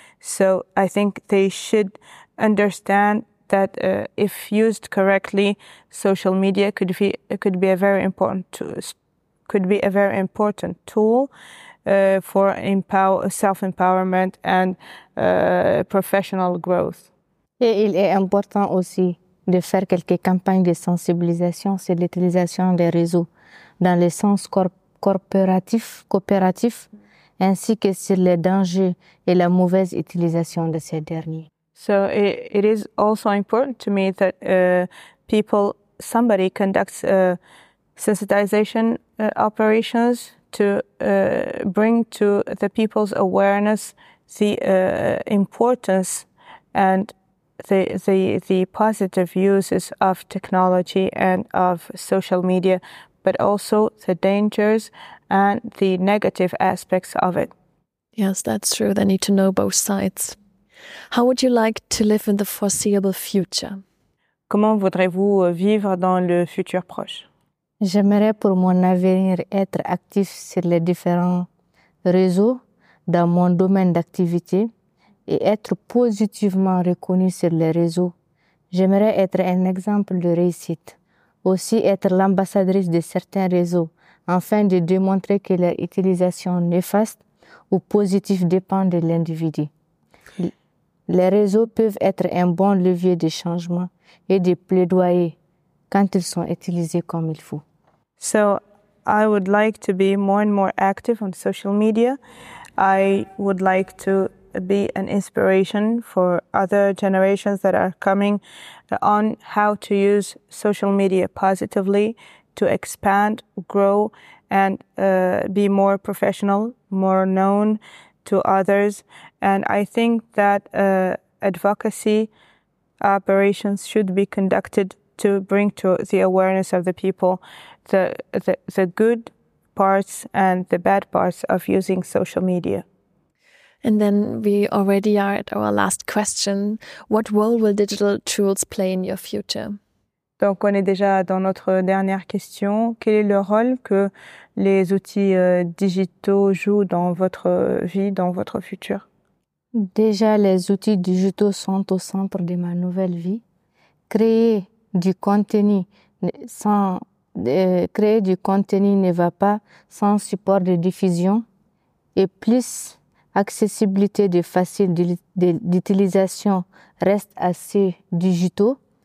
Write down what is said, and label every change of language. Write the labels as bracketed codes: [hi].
[en] So I think they should understand that if used correctly, social media could be a very important tool for self-empowerment and professional growth. [fr] Et il est important aussi de faire quelques campagnes de sensibilisation sur l'utilisation des réseaux dans le sens coopératif ainsi que sur les dangers et la mauvaise utilisation de ces derniers. [en] So it is also important to me that somebody conducts sensitization operations to bring to the people's awareness the importance and the positive uses of technology and of social media, but also the dangers and the negative aspects of it. Yes, that's true. They need to know both sides. How would you like to live in the foreseeable future? [fr] Comment voudrez-vous vivre dans le futur proche? J'aimerais pour mon avenir être actif sur les différents réseaux dans mon domaine d'activité et être positivement reconnu sur les réseaux. J'aimerais être un exemple de réussite, aussi être l'ambassadrice de certains réseaux afin de démontrer que leur utilisation néfaste ou positive dépend de l'individu. Les réseaux peuvent être un bon levier de changement et de plaidoyer quand ils sont utilisés comme il faut. [en] So, I would like to be more and more active on social media. I would like to be an inspiration for other generations that are coming on how to use social media positively to expand, grow and be more professional, more known to others. And I think that advocacy operations should be conducted to bring to the awareness of the people the good parts and the bad parts of using social media. And then we already are at our last question. What role will digital tools play in your future? [fr] Donc on est déjà dans notre dernière question. Quel est le rôle que les outils digitaux jouent dans votre vie, dans votre futur? Déjà, les outils digitaux sont au centre de ma nouvelle vie. Créer du contenu ne va pas sans support de diffusion et plus accessibilité de facile d'utilisation reste assez digitaux.